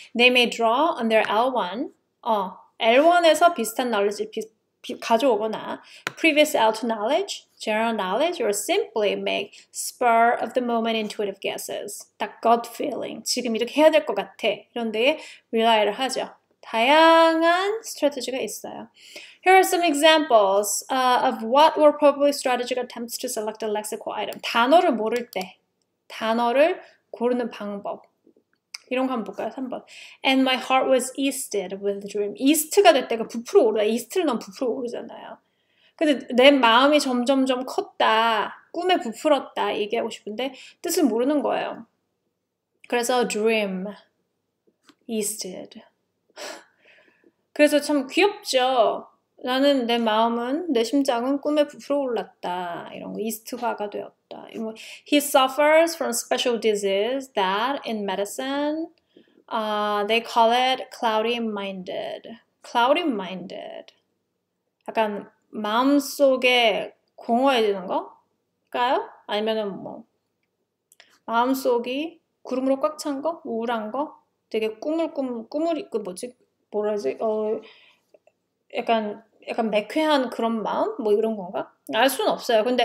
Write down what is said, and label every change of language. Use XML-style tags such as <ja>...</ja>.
<en>They may draw on their L1,</en> <ko>L1에서 비슷한 knowledge 가져오거나</ko> <en>previous L2 knowledge, general knowledge, or simply make spur of the moment intuitive guesses. 딱 gut feeling.</en> <ko>지금 이렇게 해야 될것 같아. 이런데 rely를 하죠. 다양한 strategy가 있어요.</ko> <en>Here are some examples of what were probably strategic attempts to select a lexical item.</en> <ko>단어를 모를 때. 단어를 고르는 방법. 이런 거 한번 볼까요? 3번.</ko> <en>And my heart was easted with dream.</en> <ko>east가 될 때가 부풀어오르다. east를 넣으면 부풀어오르잖아요. 근데 내 마음이 점점점 컸다. 꿈에 부풀었다. 얘기하고 싶은데 뜻을 모르는 거예요. 그래서 dream. easted. 그래서 참 귀엽죠? 나는 내 마음은 내 심장은 꿈에 부풀어올랐다 이런 거 이스트화가 되었다.</ko> <en>뭐, he suffers from special disease that in medicine, they call it cloudy minded. cloudy minded.</en> <ko>약간 마음속에 공허해지는 거일까요? 아니면은 뭐 마음속이 구름으로 꽉찬 거? 우울한 거? 되게 꾸물이 그 뭐지? 뭐라지? 약간 매쾌한 그런 마음? 뭐 이런 건가? 알 수는 없어요.</ko>